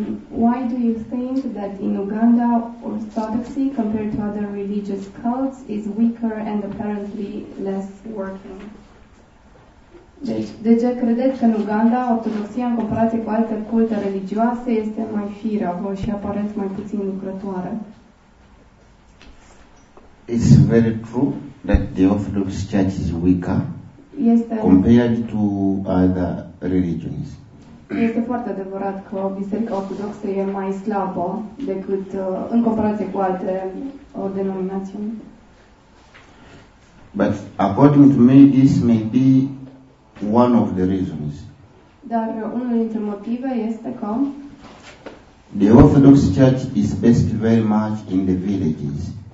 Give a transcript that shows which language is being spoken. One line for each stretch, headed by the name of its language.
English: Why do you think that in Uganda Orthodoxy compared to other religious cults is weaker and apparently less working?
Romanian: De ce credeți că în Uganda Ortodoxia în comparație cu alte culte religioase este mai firavă și apareți mai puțin lucrătoare?
English: It's very true that the Orthodox Church is weaker.
Romanian: Este
English: compared to other religions.
Romanian: Este foarte adevărat că Biserica Ortodoxă e mai slabă decât în comparație cu alte denominațiuni.
English: But according to me, this may be one of the reasons.
Romanian: Dar unul dintre motive este că
English: the Orthodox Church is based very much in the villages.